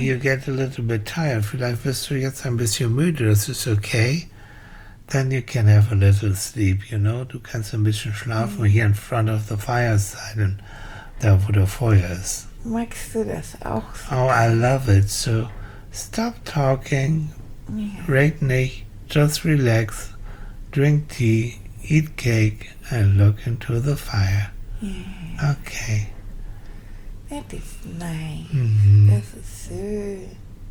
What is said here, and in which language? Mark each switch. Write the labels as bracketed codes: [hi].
[en] you get a little bit tired, [de] vielleicht wirst du jetzt ein bisschen müde, das ist okay. [en] Then you can have a little sleep, you know. [de] Du kannst ein bisschen schlafen, hier [en] in front of the fire [de] sein, und da wo der Feuer ist. Magst du das auch so [en] Oh, I [de] gern? [en] love it. So stop talking, right nicht, just relax, drink tea, eat cake, and look into the fire. Okay. [de] Das ist nice. Das ist schön.